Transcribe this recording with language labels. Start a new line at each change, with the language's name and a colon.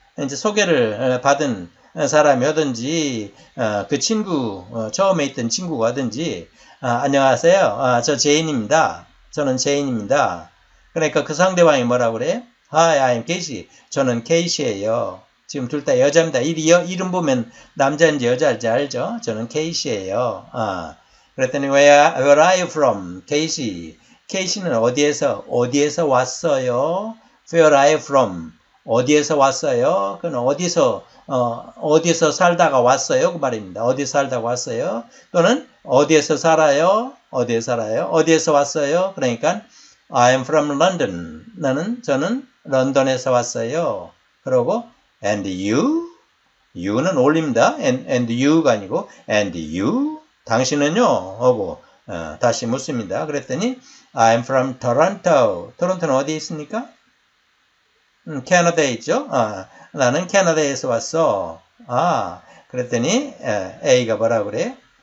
Korean: 이제 소개를 받은 사람이라든지 그 친구, 처음에 있던 친구가든지 안녕하세요. 저 제인입니다. 저는 제인입니다. 그러니까 그 상대방이 뭐라고 그래요?
English: Hi, I'm Casey.
Korean: 저는 케이시예요. 지금 둘 다 여자입니다. 이름 보면 남자인지 여자인지 알죠? 저는 케이시예요. 그랬더니
English: Where are you from? Casey.
Korean: 케이시는 어디에서 왔어요?
English: Where are you from?
Korean: 어디에서 왔어요? 그건 어디서 살다가 왔어요? 그 말입니다. 어디 살다가 왔어요? 또는 어디에서 살아요? 어디에 살아요? 어디에서 왔어요? 그러니까
English: I am from London.
Korean: 저는 런던에서 왔어요. 그러고
English: And you?
Korean: you는 올립니다. And you가 아니고 and you 당신은요 하고 다시 묻습니다. 그랬더니
English: I'm from Toronto.
Korean: 토론토는 어디 있습니까? 캐나다에 있죠. 나는 캐나다에서 왔어. 아 그랬더니 A가 뭐라 그래?